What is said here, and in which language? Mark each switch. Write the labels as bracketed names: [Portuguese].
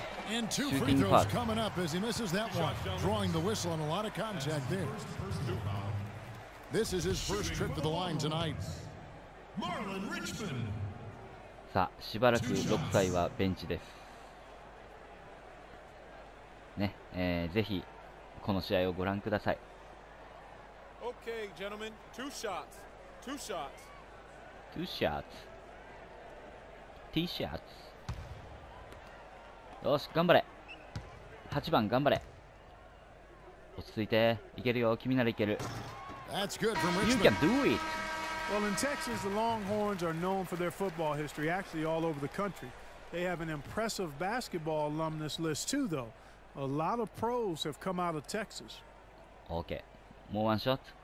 [English] And two free throws coming up as he misses that one, drawing the whistle on a lot of contact there. This is his first trip to the line tonight. Marlon Richmond. [Japanese] さあ、しばらく6歳はベンチです。ね、ぜひこの試合をご覧ください。 [English] Okay, gentlemen, two shots. Two shots. Two shots. Two shots. [Japanese] よし、頑張れ。8番、頑張れ。落ち着いて。いけるよ、君ならいける。 [English] That's good for Richmond. You can do it! Well, in Texas, the Longhorns are known for their football history, actually all over the country. They have an impressive basketball alumnus list, too, though. A lot of pros have come out of Texas. Okay. More one shot.